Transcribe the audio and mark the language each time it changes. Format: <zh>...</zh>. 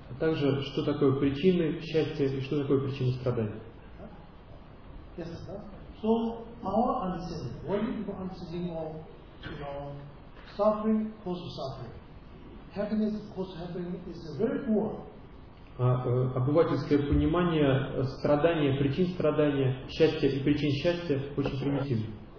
<ru>А также, что такое причины счастья и что такое причины страдания.</ru> <en>Yes, so our understanding, what is the understanding of, you know, suffering, cause of suffering, happiness, cause of happiness is a very poor.</en> <ru>Обывательское понимание страдания, причин страдания, счастья и причин счастья очень примитивно.</ru>